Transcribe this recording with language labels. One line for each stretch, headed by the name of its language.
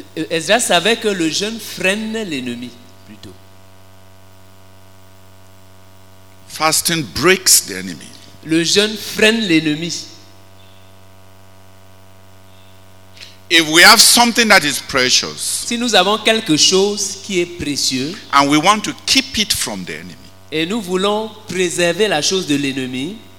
French: Ezra savait que le jeûne freine l'ennemi plutôt.
English: Fasting breaks the enemy.
French: Le jeûne freine l'ennemi.
English: If we have something that is precious,
French: si nous avons quelque chose qui est précieux,
English: and we want to keep it from the enemy,
French: et nous voulons préserver la chose de l'ennemi,